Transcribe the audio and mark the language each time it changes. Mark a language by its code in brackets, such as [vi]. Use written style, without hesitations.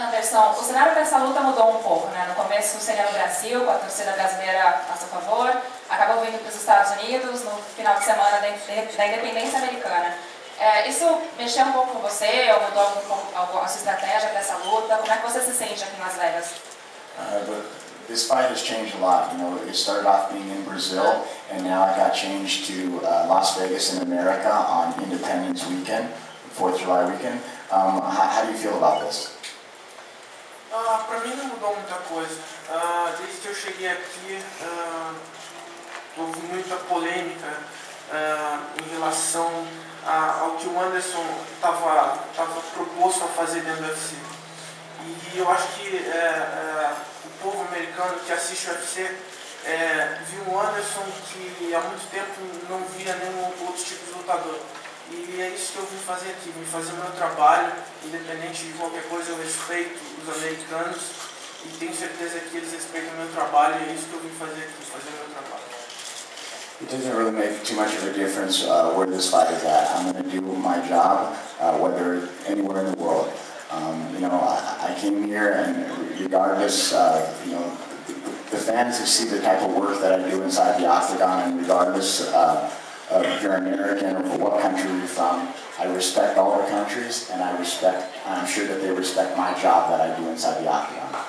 [pt] Anderson, o cenário dessa luta mudou um pouco, né? No começo seria no Brasil, com a torcida brasileira a seu favor, acabou vindo para os Estados Unidos no final de semana da independência americana. É, isso mexeu um pouco com você, ou mudou a sua estratégia para essa luta? Como é que você se sente aqui em Las Vegas? [en] This fight has changed a lot. You know, it started off being in Brazil, and now it got changed to Las Vegas in America on Independence Weekend, 4th July weekend. How do you feel about this? [pt] Para mim não mudou muita coisa. Desde que eu cheguei aqui, houve muita polêmica em relação ao que o Anderson estava proposto a fazer dentro do UFC. E eu acho que o povo americano que assiste o UFC viu o Anderson que há muito tempo não via nenhum outro tipo de lutador. E é isso que eu vim fazer aqui, vim fazer o meu trabalho, independente de qualquer coisa, eu respeito os americanos e tenho certeza que eles respeitam o meu trabalho, e é isso que eu vim fazer aqui, fazer o meu trabalho. [en] It doesn't really make too much of a difference where this fight is at. I'm going to do my job, whether anywhere in the world. You know, I came here and regardless, you know, the fans who see the type of work that I do inside the Octagon, and regardless of if you're American or what country you're from, I respect all the countries, and I respect, I'm sure that they respect my job that I do inside the Octagon.